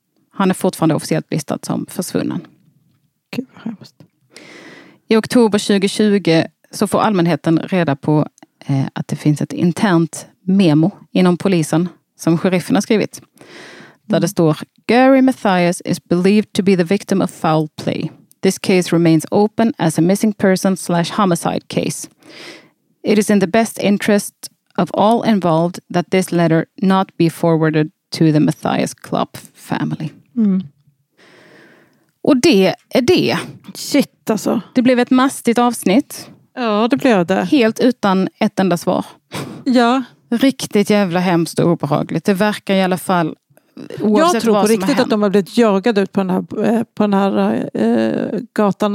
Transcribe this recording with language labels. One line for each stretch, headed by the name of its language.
Swedish: Han är fortfarande officiellt listad som försvunnen. Gud vad hemskt. I oktober 2020 så får allmänheten reda på att det finns ett internt memo inom polisen som sheriffen har skrivit. Där det står:
English: Gary Mathias is believed to be the victim of foul play. This case remains open as a missing person / homicide case. It is in the best interest of all involved that this letter not be forwarded to the Mathias Club family.
Swedish: Mm. Och det är det. Shit alltså. Det blev ett mastigt avsnitt. Ja, det blev det. Helt utan ett enda svar. Ja. Riktigt jävla hemskt och obehagligt. Det verkar i alla fall... Jag tror på riktigt att de har blivit jagade ut på den här gatan.